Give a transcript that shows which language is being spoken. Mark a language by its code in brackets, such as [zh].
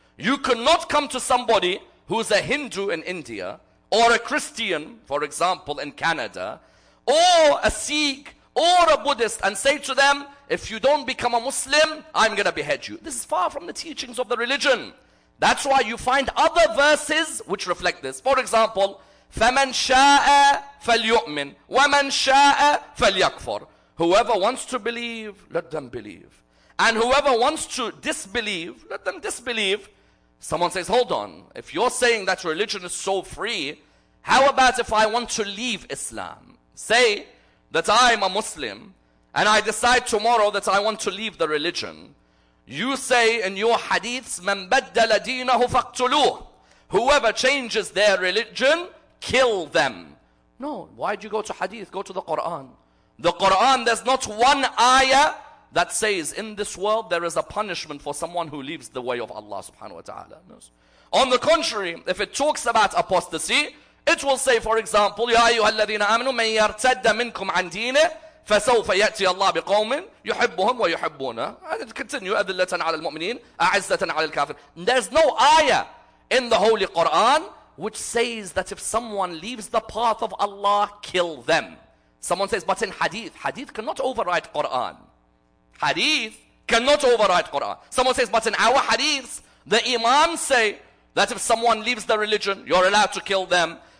[en] You cannot come to somebody who's a Hindu in India, or a Christian, for example, in Canada, or a Sikh, or a Buddhist, and say to them, if you don't become a Muslim, I'm going to behead you. This is far from the teachings of the religion. That's why you find other verses which reflect this. For example, [ar] فَمَنْ شَاءَ فَلْيُؤْمِنْ وَمَنْ شَاءَ فَلْيَكْفُرْ. [en] Whoever wants to believe, let them believe. And whoever wants to disbelieve, let them disbelieve. Someone says, hold on, if you're saying that religion is so free, how about if I want to leave Islam? Say that I'm a Muslim and I decide tomorrow that I want to leave the religion. You say in your hadiths, [ar] مَنْ بَدَّلَ دِينَهُ فَاقْتُلُوهُ. [en] Whoever changes their religion, kill them. No, why do you go to hadith? Go to the Quran. The Quran, there's not one ayah that says in this world there is a punishment for someone who leaves the way of Allah subhanahu wa ta'ala. On the contrary, if it talks about apostasy, it will say, for example, [ar] يَا أَيُّهَا الَّذِينَ آمَنُوا مَنْ يَرْتَدَّ مِنْكُمْ عَنْ دِينِهِ فَسَوْفَ يَأْتِي اللَّهُ بِقَوْمٍ يُحِبُّهُمْ وَيُحِبُّونَهُ. [en] And it continue, [ar] أَذِلَّةً عَلَى الْمُؤْمِنِينَ أَعِزَّةً عَلَى الْكَافِرِينَ. [en] There's no ayah in the Holy Quran which says that if someone leaves the path of Allah, kill them. Someone says, but in hadith, hadith cannot override Quran. Hadith cannot override Quran. Someone says, but in our hadiths, the imams say that if someone leaves the religion, you're allowed to kill them.